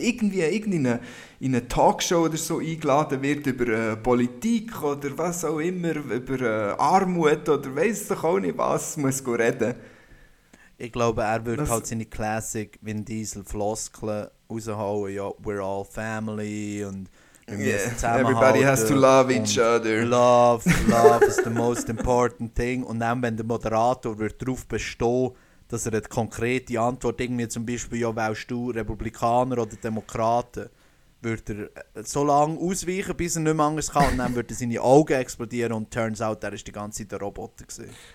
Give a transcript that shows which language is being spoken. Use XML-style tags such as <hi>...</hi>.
<de>Irgendwie in eine Talkshow oder so eingeladen wird über Politik oder was auch immer, über Armut oder weiss doch auch nicht was, muss go reden. Ich glaube, er würde halt seine Classic Vin Diesel Floskeln raushauen.</de> <en>Ja, we're all family und yeah, everybody has to love each other. Love is the most important thing.</en> <de>Und dann, wenn der Moderator wird darauf bestehen, dass er eine konkrete Antwort, irgendwie zum Beispiel, ja, wählst du Republikaner oder Demokraten, wird er so lange ausweichen, bis er nicht mehr anders kann. Und dann wird er seine Augen explodieren und</de> <en>turns out,</en> <de>er war die ganze Zeit der Roboter gewesen.</de>